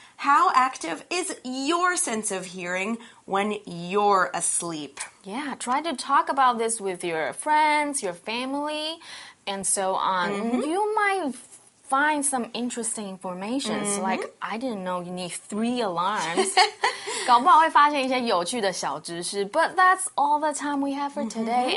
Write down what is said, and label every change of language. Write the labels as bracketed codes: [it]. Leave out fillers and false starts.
[en] How active is your sense of hearing when you're asleep? Yeah, try to talk about this with your friends, your family, and so on. Mm-hmm. You might find some interesting information. Mm-hmm. Like, I didn't know you need three alarms. [zh] 搞不好会发现一些有趣的小知识。 [en] But that's all the time we have for today.